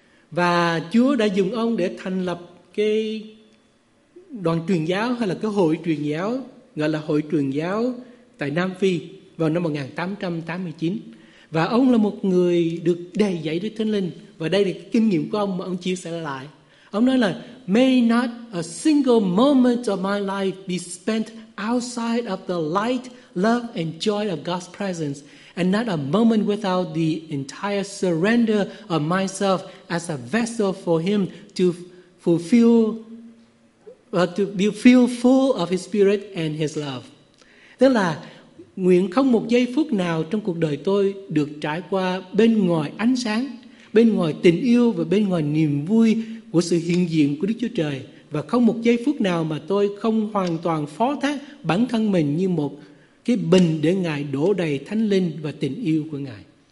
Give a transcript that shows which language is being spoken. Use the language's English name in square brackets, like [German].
[Vietnamese] Và Chúa đã dùng ông để thành lập cái đoàn truyền giáo, hay là cái hội truyền giáo, gọi là hội truyền giáo tại Nam Phi vào năm 1889. Và ông là một người được đầy dạy Đức Thánh Linh. Và đây là kinh nghiệm của ông mà ông chia sẻ lại. Ông nói là [English] may not a single moment of my life be spent outside of the light, love and joy of God's presence, and not a moment without the entire surrender of myself as a vessel for him to fulfill, to be filled full of his spirit and his love. [Vietnamese] Tức là nguyện không một giây phút nào trong cuộc đời tôi được trải qua bên ngoài ánh sáng, bên ngoài tình yêu và bên ngoài niềm vui của sự hiện diện của Đức Chúa Trời, và không một giây phút nào mà tôi không hoàn toàn phó thác bản thân mình như một cái bình để Ngài đổ đầy Thánh Linh và tình yêu của Ngài.